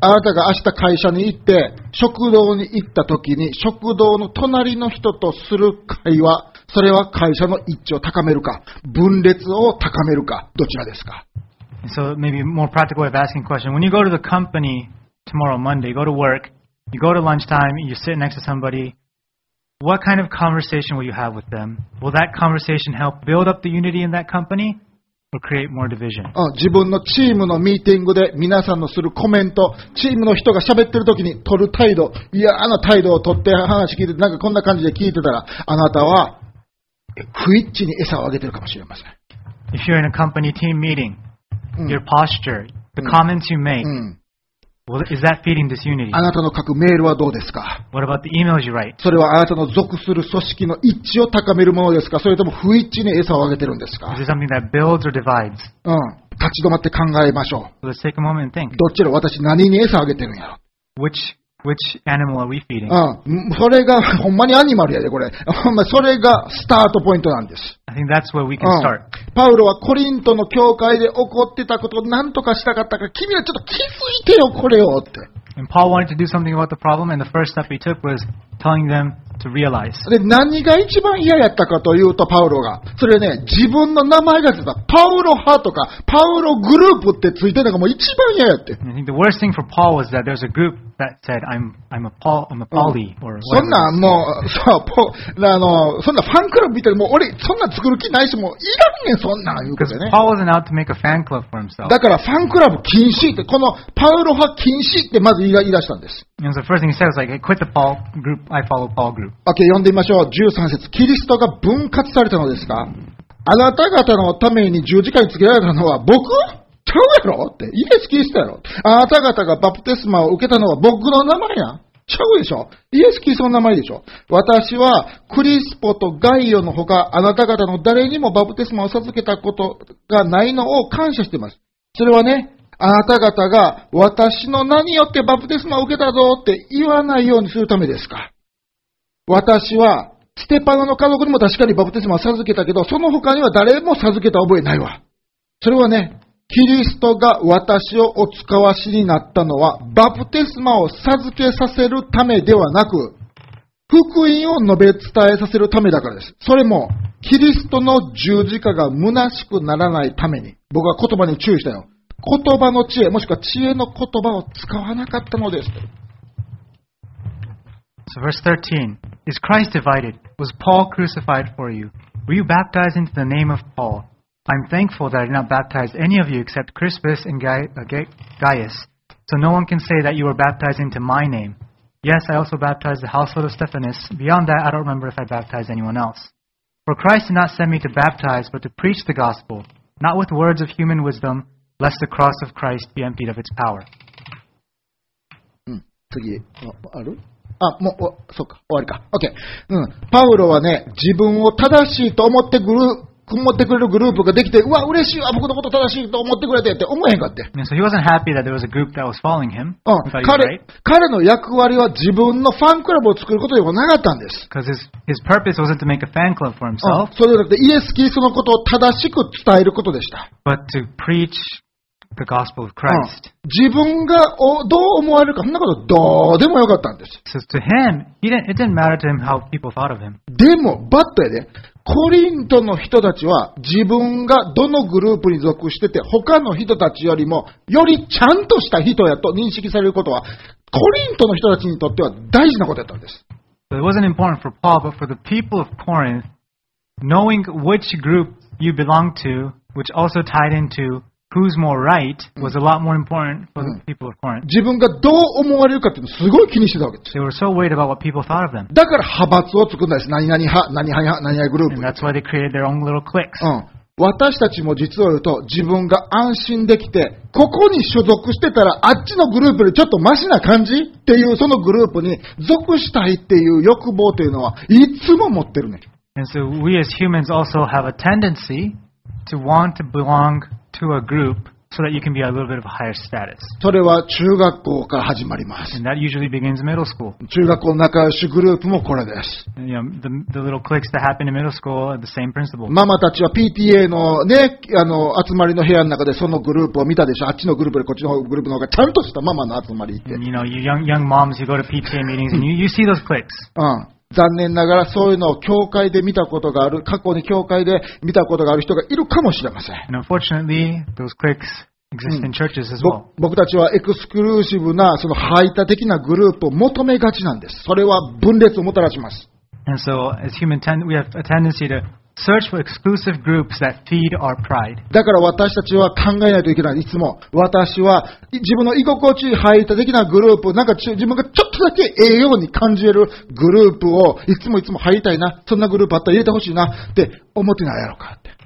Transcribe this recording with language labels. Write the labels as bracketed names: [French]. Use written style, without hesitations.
[Japanese] あなたが明日会社に行って食堂に行った時に食堂の隣の人とする会話、それは会社の一致を高めるか分裂を高めるかどちらですか。 [English] So maybe more practical way of asking question: when you go to the company tomorrow, Monday, go to work. You go to lunchtime, you sit next to somebody. What kind of conversation will you have with them? Will that conversation help build up the unity in that company or create more division? [Japanese] 自分のチームのミーティングで皆さんのするコメント、チームの人が喋ってる時に取る態度、嫌な態度を取って話聞いて、なんかこんな感じで聞いてたら、あなたは不一致に餌をあげてるかもしれません。 [English] If you're in a company team meeting, your posture, the comments you make,Well, is that feeding this unity? [Japanese] あなたの書くメールはどうですか？ [English] What about the emails you write? [Japanese] それはあなたの属する組織の一致を高めるものですか？それとも不一致に餌をあげてるんですか？ [English] Is it something that builds or divides? [Japanese] 立ち止まって考えましょう。 [English] So、let's take a moment and think. [Japanese] どちら私何に餌をあげてるんやろ？ [English] Which animal are we feeding? [Japanese] それがほんまにアニマルやでこれ。それがスタートポイントなんです。 [English] I think that's where we can start. [Japanese] パウロはコリントの教会で起こってたことを何とかしたかったから、君らちょっと気づいてよこれをって。 [English] And Paul wanted to do something about the problem, and the first step he took was telling them, to realize. [Japanese] で、何が一番嫌やったかというと、パウロが。それね、自分の名前がついた、パウロ派とか、パウログループってついてるのがもう一番嫌やって。 [English] I think the worst thing for Paul was that there's a group that said, I'm a Pauli. [Japanese] そんなもう、そう、ポ、あの、そんなファンクラブ見てる、もう俺、そんな作る気ないし、もういらんねん、そんな、言うからね。 [English] Paul wasn't out to make a fan club for himself. [Japanese] だから、ファンクラブ禁止って、このパウロ派禁止ってまず言い出したんです。 [English] And so the first thing he said was like, hey, quit the Paul group, I follow Paul group. [Japanese] Okay, 読んでみましょう。13節。キリストが分割されたのですか？あなた方のために十字架につけられたのは僕？ちゃうやろって。イエス・キリストやろ。あなた方がバプテスマを受けたのは僕の名前やん。ちゃうでしょ。イエス・キリストの名前でしょ。私はクリスポとガイオのほか、あなた方の誰にもバプテスマを授けたことがないのを感謝しています。それはね、あなた方が私の名によってバプテスマを受けたぞって言わないようにするためですか。私はステパノの家族にも確かにバプテスマを授けたけど、その他には誰も授けた覚えないわ。それはね、キリストが私をお使わしになったのはバプテスマを授けさせるためではなく、福音を述べ伝えさせるためだからです。それもキリストの十字架が虚しくならないために、僕は言葉に注意したよ。言葉の知恵、もしくは知恵の言葉を使わなかったのです。 [English] So verse 13, is Christ divided? Was Paul crucified for you? Were you baptized into the name of Paul? I'm thankful that I did not baptize any of you except Crispus and Gaius, so no one can say that you were baptized into my name. Yes, I also baptized the household of Stephanus. Beyond that, I don't remember if I baptized anyone else. For Christ did not send me to baptize, but to preach the gospel, not with words of human wisdom, lest the cross of Christ be emptied of its power. [Japanese] 次、ある？あ、もう、そうか、終わりか。 [English] OK。 うん。 [Japanese] パウロはね、自分を正しいと思ってくる、組んでくれるグループができて、うわ、嬉しいわ、僕のこと正しいと思ってくれてって思えへんかって。 [English] Yeah, so he wasn't happy that there was a group that was following him. [Japanese] 彼の役割は自分のファンクラブを作ることではなかったんです。 [English] Because his purpose wasn't to make a fan club for himself. [Japanese] それではなくて、イエス・キリストのことを正しく伝えることでした。 [English] But to preach the gospel of Christ. [Japanese] 自分がどう思われるか、そんなことどうでもよかったんです。 [English] So to him, it didn't matter to him how people thought of him. [Japanese] でも、バットやで。コリントの人たちは自分がどのグループに属してて他の人たちよりもよりちゃんとした人やと認識されることはコリントの人たちにとっては大事なことだったんです。 [English] So it wasn't important for Paul, but for the people of Corinth, knowing which group you belong to, which also tied into who's more right, was a lot more important for the people of Corinth. [Japanese] 自分がどう思われるかっていうのすごい気にしてたわけです。 [English] They were so worried about what people thought of them. [Japanese] だから派閥を作るんです。何々派グループ。 [English] And that's why they created their own little cliques. [Japanese] 私たちも実を言うと、自分が安心できて、ここに所属してたら、あっちのグループよりちょっとマシな感じっていう、そのグループに属したいっていう欲望というのは、いつも持ってるね。 [English] And so we as humans also have a tendency to want to belong to a group so that you can be a little bit of a higher status. [Japanese] それは中学校から始まります。 [English] And that usually begins middle school. [Japanese] 中学校の仲良しグループもこれです。 [English] You know, the little cliques that happen in middle school are the same principle. [Japanese] ママたちは PTA のね、集まりの部屋の中でそのグループを見たでしょ。あっちのグループよりこっちのグループの方がちゃんとしたママの集まりって。 [English] And you know, young moms, you go to PTA meetings and you see those cliques. [Japanese] 残念ながらそういうのを教会で見たことがある、過去に教会で見たことがある人がいるかもしれません。 [English] And unfortunately, those cliques exist in churches as well. [Japanese] 僕たちはエクスクルーシブな、その排他的なグループを求めがちなんです。それは分裂をもたらします。 [English] And so, as human we have a tendency to search for exclusive groups that feed our pride. [Japanese] だから私たちは考えないといけない。いつも私は自分の居心地排他的なグループ、なんか自分がちょっとだけええように感じるグループをいつもいつも入りたいな、そんなグループあったら入れてほしいなって思ってないやろかって。